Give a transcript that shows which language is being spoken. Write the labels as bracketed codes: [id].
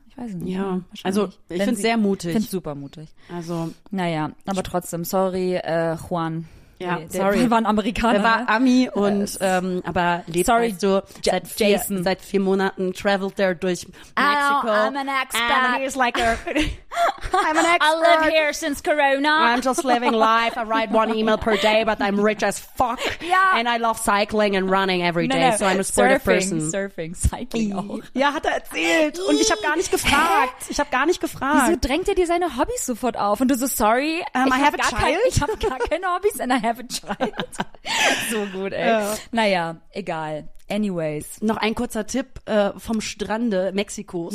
[de] Ich weiß nicht. Ja, also ich find's sehr mutig. Ich find's super mutig. Also. Naja, aber trotzdem, sorry, Juan. Ja, nee, sorry. Der war ein Amerikaner. Der war Ami und, aber lebt sorry, so seit Jason. Vier, seit 4 Monaten travelt er durch Mexiko. [en] Oh, I'm an expert. And he's like a, I'm an expert. I live here since Corona. I'm just living life. I write one email per day, but I'm rich as fuck. Yeah. And I love cycling and running every day, no. So I'm a sporty person. Surfing, cycling auch. [de] Ja, hat er erzählt. Und ich habe gar nicht gefragt. Hä? Ich habe gar nicht gefragt. Wieso drängt er dir seine Hobbys sofort auf? Und du so, sorry, ich habe gar keine Hobbys [en] and I have a child. [de] So gut, ey. Ja. Naja, egal. Anyways. Noch ein kurzer Tipp vom Strande Mexikos.